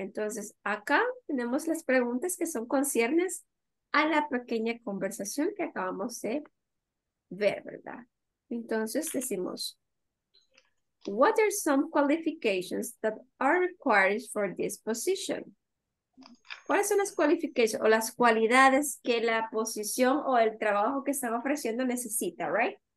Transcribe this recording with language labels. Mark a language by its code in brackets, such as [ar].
[es] Entonces, acá tenemos las preguntas que son conciernes a la pequeña conversación que acabamos de ver, ¿verdad? Entonces, decimos, [en] what are some qualifications that are required for this position? [es] ¿Cuáles son las cualificaciones o las cualidades que la posición o el trabajo que están ofreciendo necesita, right?